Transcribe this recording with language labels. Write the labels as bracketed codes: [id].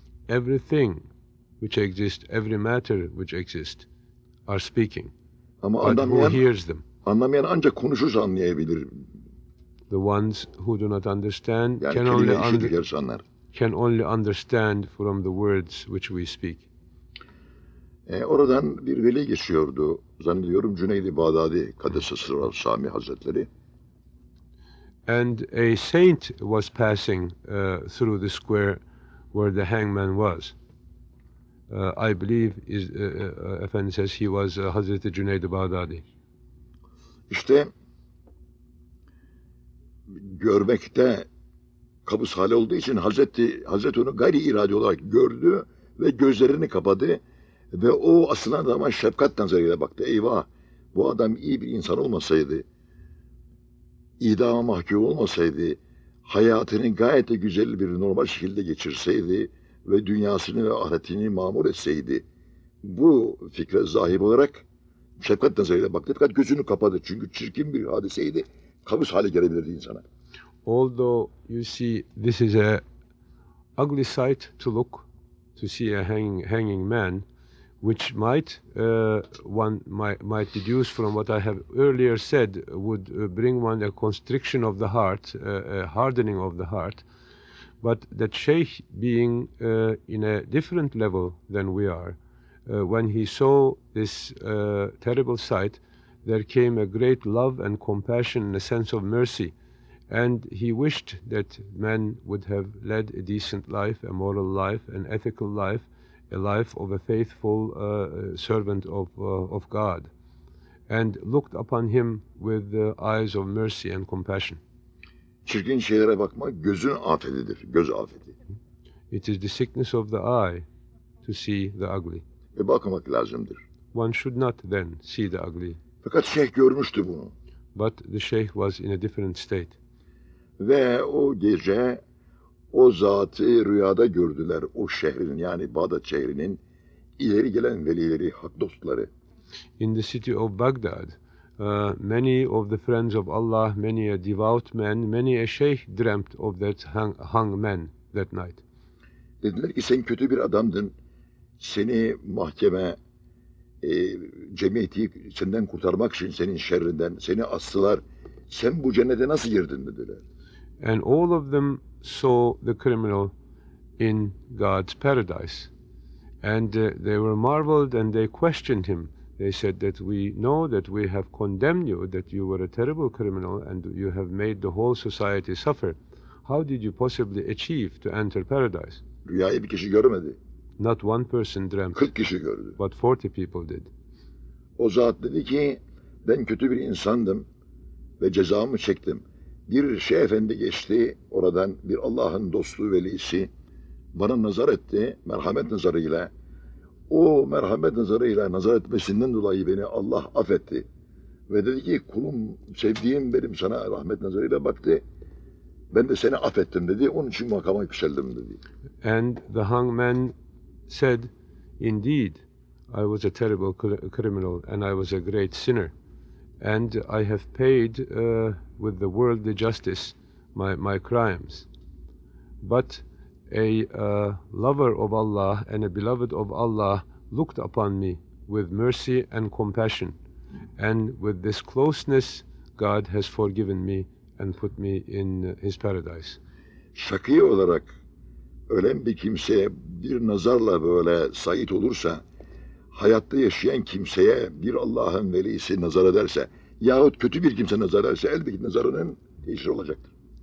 [en] Everything which exists, every matter which exists, are speaking. [tr] Ama anlamayan, [en] but who hears them? [tr] Anlamayan ancak konuşur anlayabilir. [en] The ones who do not understand [tr] yani [en] can only understand from the words which we speak. [tr] Oradan bir veli geçiyordu zannediyorum, Cüneydi Bağdadi Kadısı Sami Hazretleri. [en] And a saint was passing through the square where the hangman was. I believe Efendi says he was Hazreti Cüneydi Bağdadi. [tr] İşte görmekte kabus hali olduğu için Hazreti onu gayri irade olarak gördü ve gözlerini kapadı. Ve o asılan adama şefkat nazarıyla baktı. Eyvah, bu adam iyi bir insan olmasaydı, idama mahkum olmasaydı, hayatını gayet de güzel bir normal şekilde geçirseydi ve dünyasını ve ahiretini mamur etseydi, bu fikre sahip olarak şefkat nazarıyla baktı. Fakat gözünü kapadı çünkü çirkin bir hadiseydi, kabus hale gelebilirdi insana. [en] Although you see this is a ugly sight to look, to see a hanging man, which might deduce from what I have earlier said would bring one a constriction of the heart, a hardening of the heart, but that Shaykh, being in a different level than we are, when he saw this terrible sight, there came a great love and compassion and a sense of mercy, and he wished that men would have led a decent life, a moral life, an ethical life, a life of a faithful servant of God, and looked upon him with the eyes of mercy and compassion. [tr] Çirkin şeylere bakmak gözün afetidir, göz afeti. [en] It is the sickness of the eye to see the ugly. [tr] Ve bakmak lazımdır. [en] One should not then see the ugly. [tr] Fakat şeyh görmüştü bunu. [en] But the şeyh was in a different state. [tr] Ve o gece o zatı rüyada gördüler, o şehrin yani Bağdat şehrinin ileri gelen velileri, hak dostları. In the city of Baghdad, many of the friends of Allah, many a devout man, many a sheikh dreamt of that hung man that night. Dediler ki sen kötü bir adamdın, seni mahkeme, cemiyeti senden kurtarmak için senin şerrinden seni astılar, sen bu cennete nasıl girdin dediler. [en] And all of them saw the criminal in God's paradise. And they were marveled and they questioned him. They said that we know that we have condemned you, that you were a terrible criminal and you have made the whole society suffer. How did you possibly achieve to enter paradise? [tr] Rüyayı bir kişi görmedi. [en] Not one person dreamt. [tr] 40 kişi gördü. [en] But 40 people did. [tr] O zat dedi ki, ben kötü bir insandım ve cezamı çektim. Bir şeyh efendi geçti oradan, bir Allah'ın dostu velisi bana nazar etti, merhamet nazarıyla. O merhamet nazarıyla nazar etmesinden dolayı beni Allah affetti. Ve dedi ki, kulum, sevdiğim benim sana rahmet nazarıyla baktı. Ben de seni affettim dedi, onun için makama yükseldim dedi. [en] And the hangman said, indeed, I was a terrible criminal and I was a great sinner. And I have paid with the worldly justice my crimes. But a lover of Allah and a beloved of Allah looked upon me with mercy and compassion. And with this closeness, God has forgiven me and put me in his paradise. [tr] Şakî olarak ölen bir kimseye bir nazarla böyle sait olursa, hayatta yaşayan kimseye bir Allah'ın velisi nazar ederse, yahut kötü bir kimse nazar ederse, elbette nazarının değişir olacaktır.